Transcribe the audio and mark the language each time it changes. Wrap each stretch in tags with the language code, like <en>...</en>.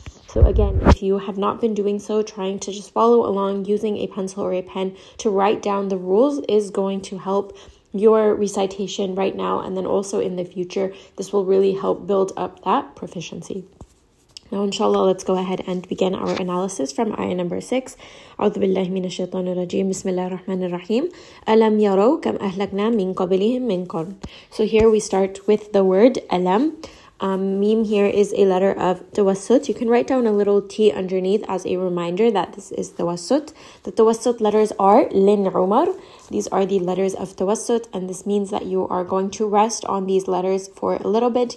<en>So again, if you have not been doing so, trying to just follow along using a pencil or a pen to write down the rules is going to help your recitation right now, and then also in the future, this will really help build up that proficiency. Now inshallah, let's go ahead and begin our analysis from ayah number 6.</en> <ar>أعوذ بالله من الشيطان الرجيم بسم الله الرحمن الرحيم ألم يروا كم أهلكنا من قبلهم من قرن.</ar> <en>So here we start with the word ألم. Meme here is a letter of tawassut. You can write down a little T underneath as a reminder that this is tawassut. The tawassut letters are Lin Umar. These are the letters of tawassut, and this means that you are going to rest on these letters for a little bit.</en>